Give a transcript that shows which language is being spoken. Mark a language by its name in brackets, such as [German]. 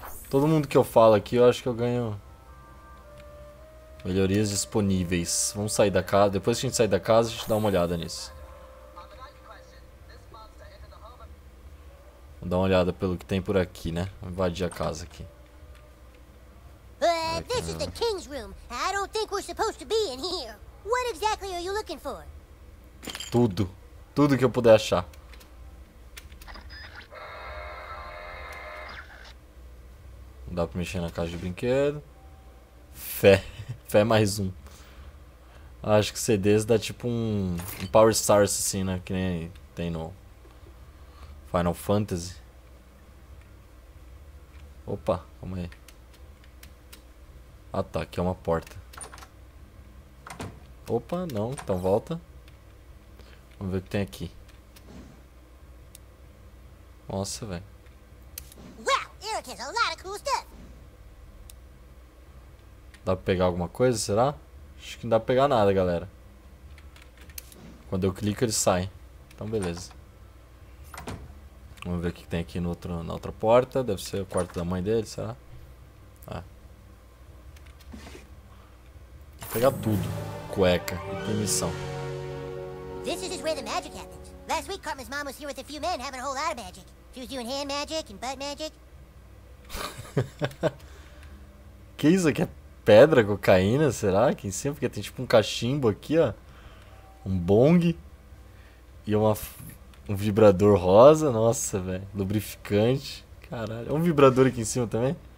[Portuguese] Todo mundo que eu falo aqui, eu acho que eu ganho. Melhorias disponíveis. Vamos sair da casa. Depois que a gente sair da casa, a gente dá uma olhada nisso. Vamos dar uma olhada pelo que tem por aqui, né? Vamos invadir a casa aqui. [English] This is the king's room. I don't think we're supposed to be in here. What exactly are you looking for? [Portuguese] Tudo. Tudo que eu puder achar. Não dá pra mexer na caixa de brinquedo. Fé. Fé mais um. Acho que CDs dá tipo um Power Stars assim, né? Que nem tem no Final Fantasy. Opa, calma aí. Ah tá, aqui é uma porta. Opa, não, então volta. Vamos ver o que tem aqui. Nossa, velho. [English] Well, Eric has a lot of cool stuff. [Portuguese] Dá pra pegar alguma coisa, será? Acho que não dá pra pegar nada, galera. Quando eu clico, ele sai. Então, beleza. Vamos ver o que tem aqui no outro, na outra porta. Deve ser o quarto da mãe dele, será? Ah. Vou pegar tudo. Cueca e permissão. [English] This is just where the magic happens. Last week, Cartman's mom was here with a few men having a whole lot of magic. She was doing hand magic and butt magic. [Portuguese] Que isso aqui? É pedra, cocaína, será? Aqui em cima? Porque tem tipo um cachimbo aqui, ó. Um bong. E uma... um vibrador rosa, nossa, velho. Lubrificante. Caralho. Um vibrador aqui em cima também.